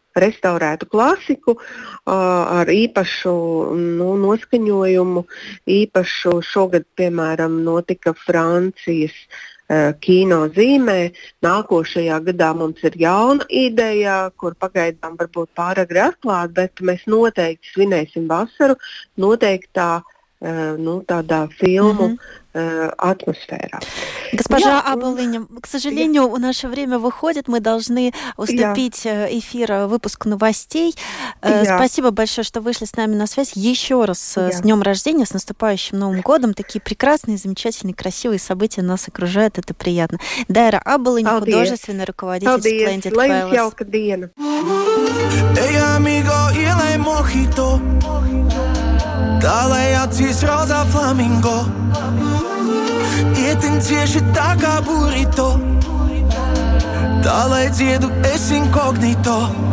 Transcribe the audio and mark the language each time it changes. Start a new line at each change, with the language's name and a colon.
Latvian: Restaurētu klasiku ar īpašu noskaņojumu, īpašu šogad, piemēram, notika Francijas kino zīmē. Nākošajā gadā mums ir jauna ideja, kur pagaidām varbūt pāragri atklāt, bet mēs noteikti svinēsim vasaru noteiktā tādā filmu атмосфера.
Russian: Госпожа Абулиня, к сожалению, у наше время выходит, мы должны уступить эфир выпуск новостей. Спасибо большое, что вышли с нами на связь. Еще раз с днем рождения, с наступающим Новым годом. Такие прекрасные, замечательные, красивые события нас окружают, это приятно. Дайра Абулиня, художественный руководитель Splendid Palace. Спасибо.
Latvian: Ietin cieši tā kā burrito, tā lai dziedu es inkognito.